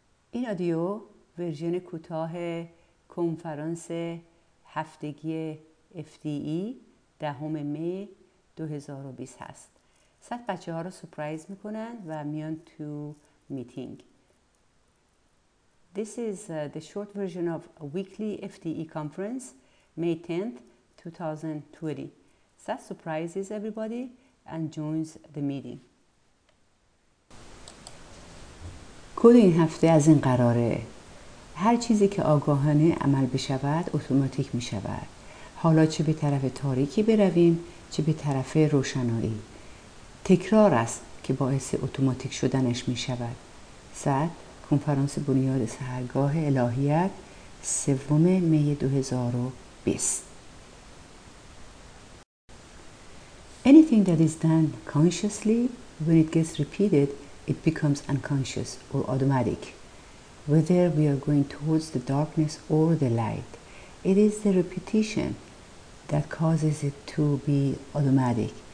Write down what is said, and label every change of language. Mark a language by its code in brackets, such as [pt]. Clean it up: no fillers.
[fa] این رادیو ورژن کوتاه کنفرانس هفتگی FDE دهم می 2020 هست. صد بچه ها رو سپرایز میکنن و میان تو میتینگ. [en] This is the short version of a weekly FDE conference, May 10th, 2020. صد surprises everybody and joins the meeting. [fa] کد این هفته از این قراره: هر چیزی که آگاهانه عمل بشود اتوماتیک میشود. حالا چه به طرف تاریکی برویم چه به طرف روشنایی، تکرار است که باعث اتوماتیک شدنش میشود. صد کنفرانس بنیاد سحرگاه الهیت سوم می 2020. [en] Anything that is done consciously, when it gets repeated, it becomes unconscious or automatic. Whether we are going towards the darkness or the light, it is the repetition that causes it to be automatic.